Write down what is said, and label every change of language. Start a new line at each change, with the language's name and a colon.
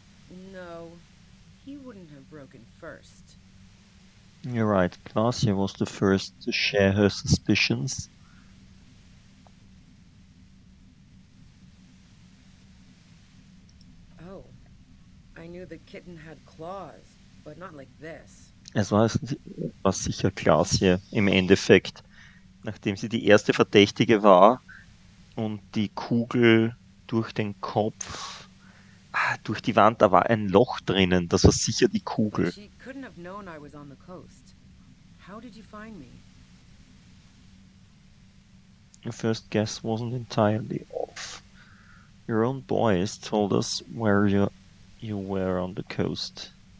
English: No, he wouldn't have broken first. You're right. Cassia was the first to share her suspicions. Oh, I knew the kitten had claws, but not like this.
German: Es war sicher Cassia im Endeffekt, nachdem sie die erste Verdächtige war. Und die Kugel durch den Kopf, durch die Wand, da war ein Loch drinnen, das war sicher die Kugel.
English: She couldn't have known I was on the coast. How did you find me? Your first guess wasn't entirely off. Your own boys told us where you were on the coast.